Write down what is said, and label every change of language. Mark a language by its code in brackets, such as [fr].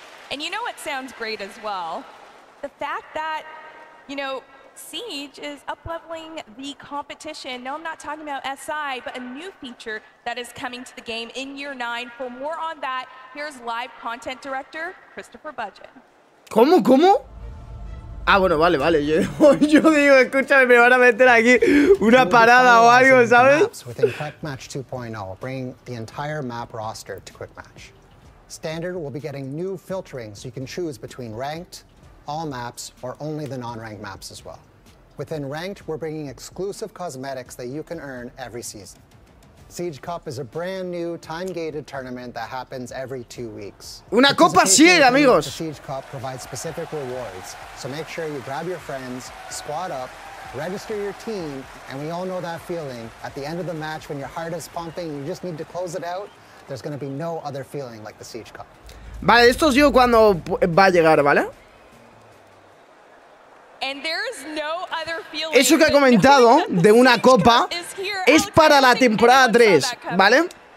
[en] And you know what sounds great as well? The fact that, you know, Siege is up-leveling the competition. No, I'm not talking about SI, but a new feature that is coming to the game in year 9. For more on that, here's live content director Christopher Budget. [es] ¿Cómo? ¿Cómo? Ah, bueno, vale, vale. Yo digo, escúchame, me van a meter aquí una parada o algo, ¿sabes? [en] Within Quick Match 2.0, bring the entire map roster to Quick Match. Standard will be getting new filtering, so you can choose between ranked, all maps, or only the non-ranked maps as well. Within Ranked, we're bringing exclusive cosmetics that you can earn every season. Siege Cup is a brand new time-gated tournament that happens every 2 weeks. [es] Una copa Siege, amigos! [en] The Siege Cup provides specific rewards, so make sure you grab your friends, squad up, register your team, and we all know that feeling. At the end of the match, when your heart is pumping, you just need to close it out, there's gonna be no other feeling like the Siege Cup. [es] Vale, esto os digo cuando va a llegar, ¿vale? [en] And there is no other feeling. [es] Eso que ha comentado de una copa es para la temporada 3, ¿vale?